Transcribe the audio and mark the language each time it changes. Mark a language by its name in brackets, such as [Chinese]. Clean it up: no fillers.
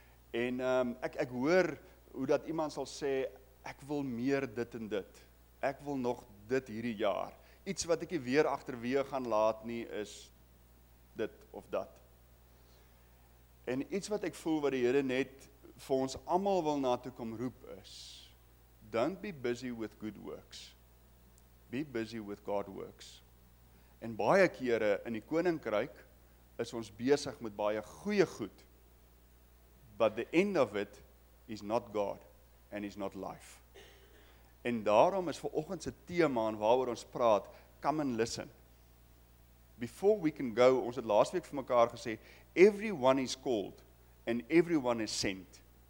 [Afrikaans] En ek hoor hoe dat iemand sal sê, ek wil meer dit en dit. Ek wil nog dit hierdie jaar. Iets wat ek weer agterwee gaan laat nie is dit of dat. En iets wat ek voel wat die Here net vir ons allemaal wil na toe kom roep is, [English] don't be busy with good works. Be busy with God works. [Afrikaans] En baie kere in die koninkryk is ons besig met baie goeie goed. [English] But the end of it is not God and is not life. [Afrikaans] En daarom is vanoggend se tema en waaroor ons praat, [English] come and listen. Before we can go, [Afrikaans] ons het laas week vir mekaar gesê, [English] everyone is called and everyone is sent.